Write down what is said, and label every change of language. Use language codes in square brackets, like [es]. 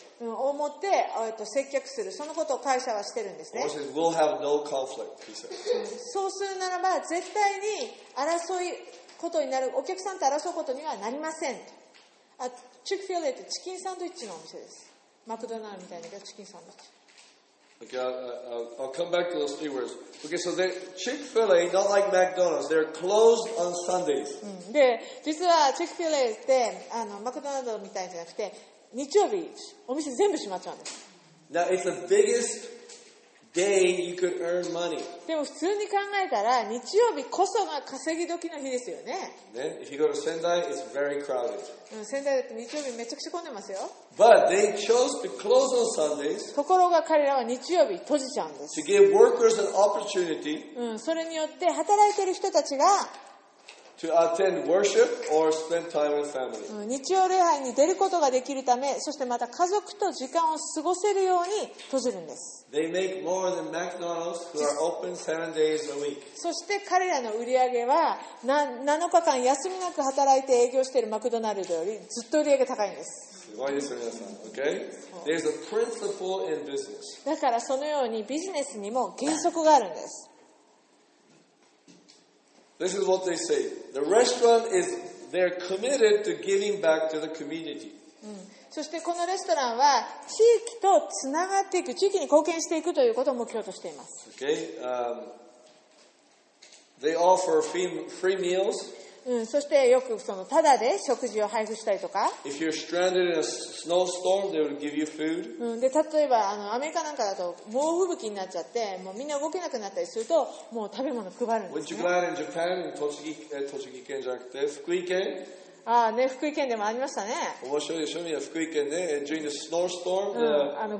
[ja] を持って接客する、そのことを会社はしてるんですね。 [en] Says, we'll have no conflict, he says. [ja] そうするならば絶対に争いことになる、お客さんと争うことにはなりませんと。あ、チックフィレってチキンサンドイッチのお店です。マクドナルドみたいなチキンサンドイッチ。 [en] Okay, I'll come back to those three words. Okay, so they Chick-fil-A, not like McDonald's, they're closed on Sundays. [ja] で、実はチックフィレってマクドナルドみたいじゃなくて、日曜日お店全部閉まっちゃうんです。 [en] Now it's the biggest day you could earn money. [ja] でも普通に考えたら日曜日こそが稼ぎ時の日ですよね。 [en] ね、if you go to Sendai, it's very crowded. [ja] 仙台だって日曜日めちゃくちゃ混んでますよ。 [en] But they chose to close on Sundays. [ja] ところが彼らは日曜日閉じちゃうんです。 [en] To give workers an opportunity. [ja] それによって働いてる人たちが [en] to attend worship or spend time with family. [ja] 日曜礼拝に出ることができるため、そしてまた家族と時間を過ごせるように閉じるんです。 [en] They make more than McDonald's, who are open 7 days a week. [ja] そして彼らの売り上げは7日間休みなく働いて営業しているマクドナルドよりずっと売り上げ高いんです。すごいですよ、皆さん。 [en] Okay? There's a principle in business. [ja] だからそのようにビジネスにも原則があるんです。 [en] This is what they say. The restaurant is, they're committed to giving back to the community. [ja] そしてこのレストランは地域とつながっていく、地域に貢献していくということを目標としています。 [en] Okay. They offer free meals. [ja] そしてよくそのただで食事を配布したりとか。 [en] If you're stranded in a snowstorm, they will give you food. [ja] で例えばアメリカなんかだと猛吹雪になっちゃって、もうみんな動けなくなったりすると、もう食べ物配るんですね。 [en] Would you glad in Japan, in [ja] 栃木県じゃなくて福井県？ああね、福井県でもありましたね。面白いでしょ、みんな福井県ね。 [en] During the snowstorm, the,